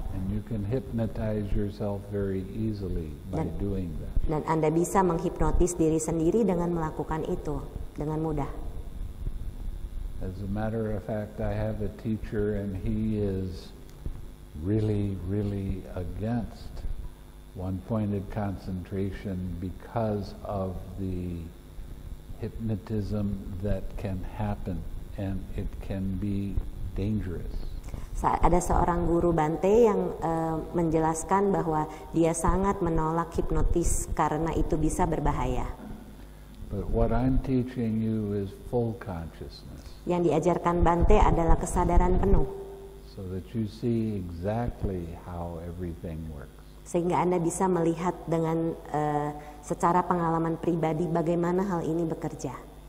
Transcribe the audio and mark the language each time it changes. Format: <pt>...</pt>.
<en>And you can hypnotize yourself very easily by doing that.</en> <id>Dan Anda bisa menghipnotis diri sendiri dengan melakukan itu dengan mudah.</id> <en>As a matter of fact, I have a teacher and he is really, really against one-pointed concentration because of the hypnotism that can happen and it can be dangerous.</en> <id>Ada seorang guru Bhante yang menjelaskan bahwa dia sangat menolak hipnotis karena itu bisa berbahaya.</id> <en>But what I'm teaching you is full consciousness.</en> <id>Yang diajarkan Bhante adalah kesadaran penuh.</id> <en>So that you see exactly how everything works.</en> <id>Sehingga Anda bisa melihat dengan secara pengalaman pribadi bagaimana hal ini bekerja.</id>